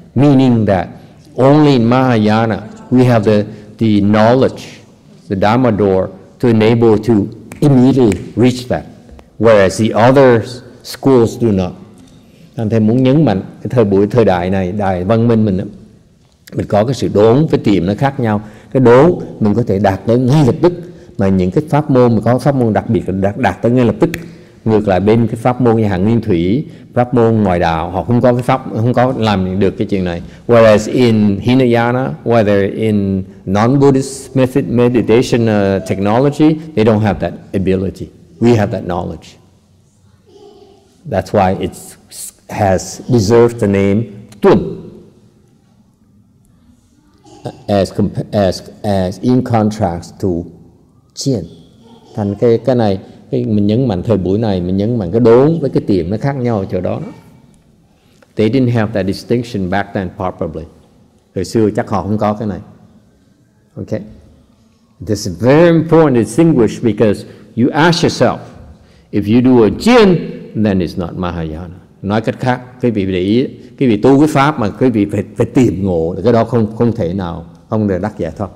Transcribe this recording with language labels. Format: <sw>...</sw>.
<en>Meaning that only in Mahayana we have the knowledge, the Dharma door, to enable to immediately reach that, whereas the other schools do not.</en> <vi>Anh thầy muốn nhấn mạnh cái thời buổi thời đại này, đại văn minh mình có cái sự đốn với tiệm nó khác nhau. Cái đốn mình có thể đạt tới ngay lập tức, mà những cái pháp môn mình có pháp môn đặc biệt đạt tới ngay lập tức. Ngược lại bên cái pháp môn như hạng Nguyên Thủy, pháp môn ngoại đạo, họ không có cái pháp, không có làm được cái chuyện này.</vi> <en>Whereas in Hinayana, whether in non-Buddhist method meditation technology, they don't have that ability. We have that knowledge. That's why it's has deserved the name Tun as in contrast to Jian.</en> <vi>Thành cái này, cái mình nhấn mạnh thời buổi này, mình nhấn mạnh cái đốn với cái tiệm nó khác nhau ở chỗ đó.</vi> <en>They didn't have that distinction back then properly.</en> <vi>Thời xưa chắc họ không có cái này.</vi> <en>Okay. This is very important to distinguish because you ask yourself, if you do a Jian, then it's not Mahayana.</en> <vi>Nói cách khác, quý vị để ý, quý vị tu cái pháp mà quý vị phải tìm ngộ, cái đó không thể nào, không được đắc giải thoát.</vi>